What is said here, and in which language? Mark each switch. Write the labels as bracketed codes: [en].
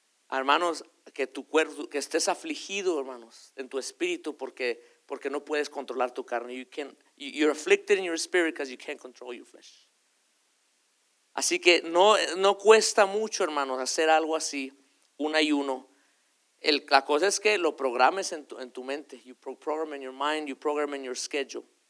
[es] Hermanos, que tu cuerpo, que estés afligido, hermanos, en tu espíritu, porque no puedes controlar tu carne. [en] You're afflicted in your spirit because you can't control your flesh. [es] Así que no cuesta mucho, hermanos, hacer algo así, un ayuno. La cosa es que lo programes en tu mente. [en] You program in your mind, you program in your schedule.